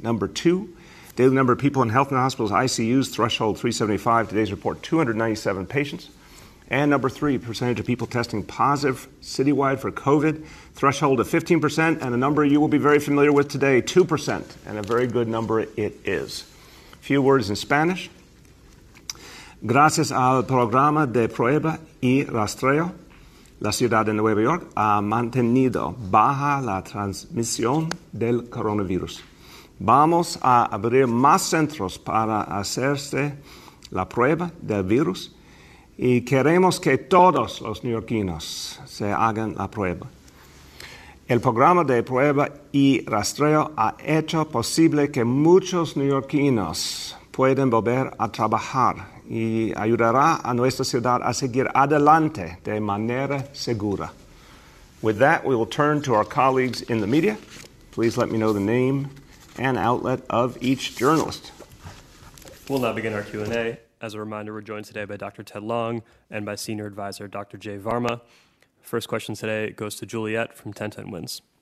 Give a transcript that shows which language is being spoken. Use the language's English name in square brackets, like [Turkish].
[English] Number two, daily number of people in health and hospitals, ICUs, threshold 375. Today's report, 297 patients. And number three, percentage of people testing positive citywide for COVID, threshold of 15%, and a number you will be very familiar with today, 2%, and a very good number it is. A few words in Spanish. [Spanish] Gracias al programa de prueba y rastreo, la ciudad de Nueva York ha mantenido baja la transmisión del coronavirus. Vamos a abrir más centros para hacerse la prueba del virus y queremos que todos los neoyorquinos se hagan la prueba. El programa de prueba y rastreo ha hecho posible que muchos neoyorquinos puedan volver a trabajar y ayudará a nuestra ciudad a seguir adelante de manera segura. [English] With that, we will turn to our colleagues in the media. Please let me know the name and outlet of each journalist. We'll now begin our Q&A. As a reminder, we're joined today by Dr. Ted Long and by senior advisor Dr. Jay Varma. First question today goes to Juliet from 1010 Winds.